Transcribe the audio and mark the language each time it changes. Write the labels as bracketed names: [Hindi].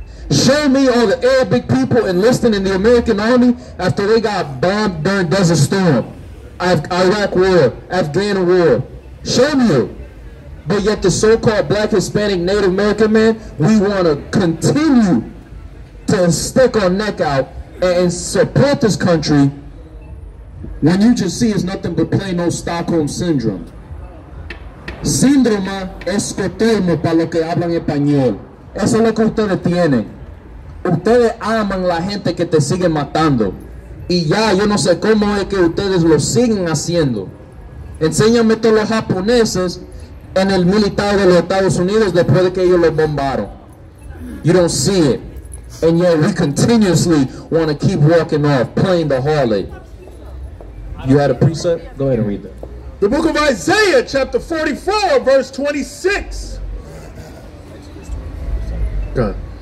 [English] Show me all the Arabic people enlisting in the American army after they got bombed during Desert Storm, Iraq War, Afghan War. Show me it. But yet the so-called black Hispanic Native American man, we want to continue to stick our neck out and support this country when you just see it's nothing but plain old Stockholm Syndrome. [Spanish] Síndrome es termo para lo que hablan español. Eso es lo que ustedes tienen. Ustedes aman la gente que te sigue matando. Y ya, yo no sé cómo es que ustedes lo siguen haciendo. Enséñame todos los japoneses en el militar de los Estados Unidos después de que ellos lo bombaron. [English] You don't see it. And yet we continuously want to keep walking off, playing the harlot. You had a precept? Go ahead and read that. The book of Isaiah, chapter 44, verse 26. God.